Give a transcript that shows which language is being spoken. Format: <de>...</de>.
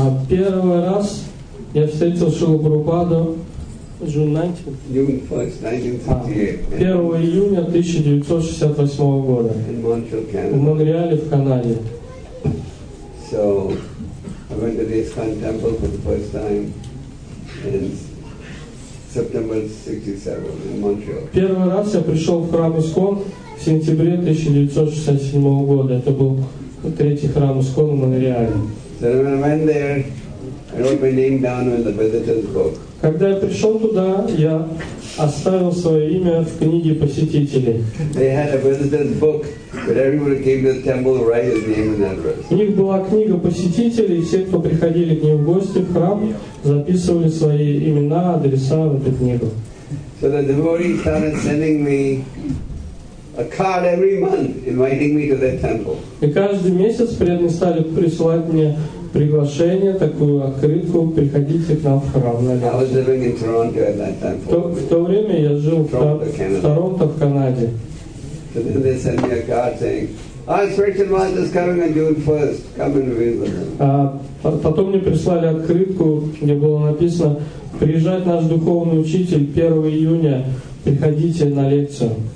<ru>Первый раз я встретил Шрилу Прабхупаду 1 июня 1968 года в Монреале, в Канаде.</ru> <en>So, I went to the Iskcon temple for the first time in September 67 in Montreal.</en> <ru>Первый раз я пришел в храм Искон в сентябре 1967 года. Это был третий храм Искон в Монреале.</ru> <en>So, when I went there, I wrote my name down in the visitor's book.</en> <ru>Когда я пришел туда, я оставил свое имя в книге посетителей.</ru> <en>They had a visitor's book, but everyone who came to the temple write his name and address.</en> <ru>У них была книга посетителей, и все, кто приходили к ним в гости в храм, записывали свои имена, адреса в эту книгу.</ru> <en>So the devotees started sending me a card every month, inviting me to their temple.</en> <ru>И каждый месяц преданные стали присылать мне приглашение, такую открытку, приходите к нам в храм. В то время я жил в Торонто, в Канаде. Потом мне прислали открытку, где было написано: «Приезжает наш духовный учитель 1 июня, приходите на лекцию».</ru>